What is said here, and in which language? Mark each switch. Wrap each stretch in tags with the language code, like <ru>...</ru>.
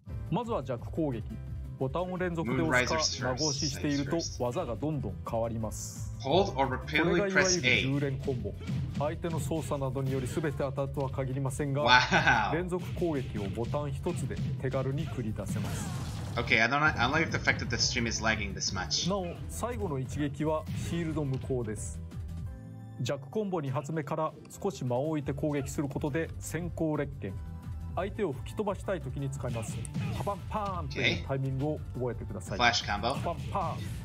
<ja>まずは弱攻撃、ボタンを連続で押すか長押ししていると技がどんどん変わります。これがいわゆる 10連コンボ。相手の操作などにより全て当たるとは限りませんが、</ja> <en>wow.</en> <ja>連続攻撃をボタン一つで手軽に繰り出せます。</ja> <en>Okay, I don't know if the fact that the stream is lagging this much.</en> <ja>なお最後の一撃はシールド無効です。弱コンボ2発目から少し間を置いて攻撃することで先行劣権、相手を吹き飛ばしたいときに使います。パパンパーンというタイミングを覚えてください。フラッシュコンボ、パパンパーン、</ja>